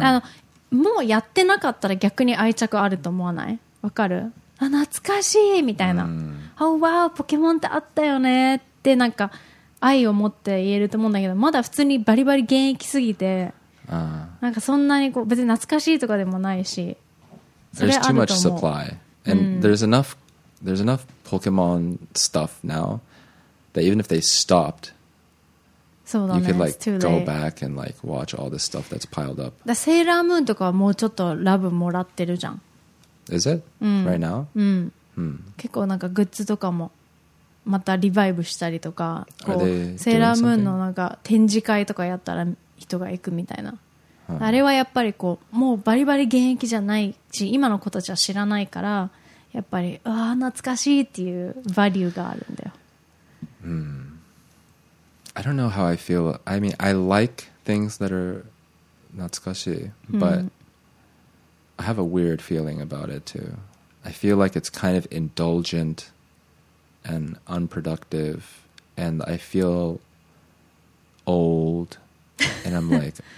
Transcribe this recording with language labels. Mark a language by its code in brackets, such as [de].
[ja] あの、もうやってなかったら逆に愛着あると思わない?わかる? あ、懐かしいみたいな、mm. [en] Oh wow, [ja] Pokemon ってあったよねでなんか愛を持って言えると思うんだけどまだ普通にバリバリ現役すぎてなんかそんなにこう別に懐かしいとかでもないしそれあると思う [en] There's too much supply And、うん、there's enough Pokemon stuff now that even if they stopped [ja] そうだ、ね、 [en] you could like go back and like watch all this stuff that's piled up [ja] だセーラームーンとかはもうちょっとラブもらってるじゃん [en] Is it?、 [ja] うん、 [en] right now?、 [ja] うん hmm. 結構なんかグッズとかもまたリバイブしたりとかこうセーラームーンのなんか展示会とかやったら人が行くみたいな、huh. あれはやっぱりこうもうバリバリ現役じゃないし今の子たちは知らないからやっぱりうわ懐かしいっていうバリューがあるんだよ、 hmm. [en] I don't know how I feel I mean I like things that are 懐かしい but、hmm. I have a weird feeling about it too I feel like it's kind of indulgentand unproductive and I feel old and I'm like